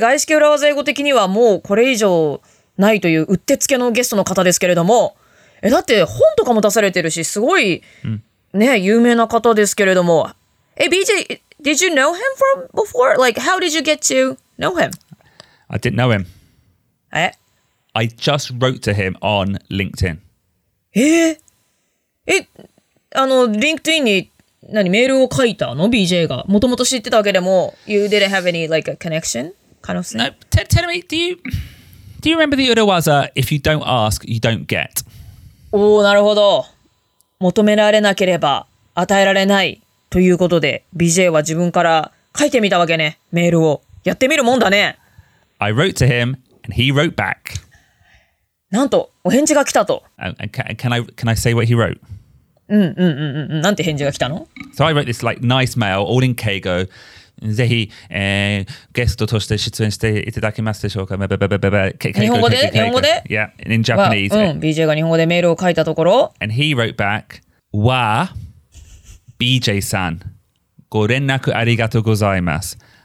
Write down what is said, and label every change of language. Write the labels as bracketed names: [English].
[Japanese] 外資系裏技英語的にはもうこれ以上ないといううってつけのゲストの方ですけれども、だって本とかも出されてるし、すごい、ね、有名な方ですけれども。 [English] BJ, did you know him from before? Like, how did you get to know him? I didn't know him. え? I just wrote to him on LinkedIn. [Japanese] あの、LinkedIn に何メールを書いたの ?BJ が。もともと知ってたわけでも、 [English] You didn't have any, like, a connection? Kind of thing? No, tell me, do you remember the Uruwaza, if you don't ask, you don't get? [Japanese] おー、なるほど。求められなければ、与えられない。ということで、BJ は自分から書いてみたわけね、メールを。やってみるもんだね。 [English] I wrote to him, and he wrote back. [Japanese] なんと、お返事が来たと。 [English] Can I say what he wrote? [Japanese] なんて返事が来たの? [English] So I wrote this like nice mail, all in Keigo. [Japanese] ぜひ、ゲストとして出演していただけますでしょうか? 日本語で? 日本語で? [English] Yeah, in Japanese. [Japanese] BJ が日本語でメールを書いたところ。 [English] And he wrote back, [Japanese] わあ、BJ-san, ご連絡ありがとうございます。